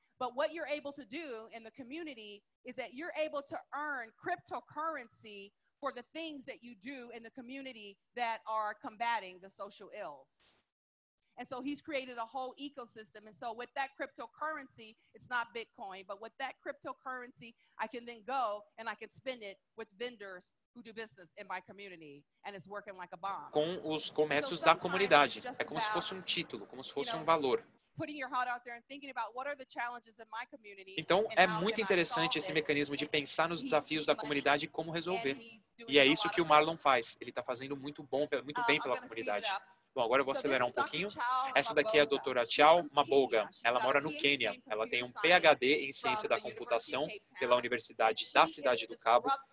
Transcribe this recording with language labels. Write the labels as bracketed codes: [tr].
[en] But what you're able to do in the community is that you're able to earn cryptocurrency for the things that you do in the community that are combating the social ills. And so he's created a whole ecosystem. And so with that cryptocurrency, it's not Bitcoin, but with that cryptocurrency, I can then go and I can spend it with vendors who do business in my community. And it's working like a bomb. [pt] Com os comércios so da comunidade. É como se fosse título, como se fosse valor. [en] Putting your heart out there and thinking about what are the challenges in my community. [pt] Então, é muito interessante esse mecanismo de pensar nos desafios da comunidade e como resolver. E é isso que o Marlon faz. Ele está fazendo muito bem pela comunidade. Bom, agora eu vou acelerar um pouquinho. Essa daqui é a doutora Chau Maboga. Ela mora no Quênia. Ela tem um PhD em ciência da computação pela Universidade da Cidade do Cabo.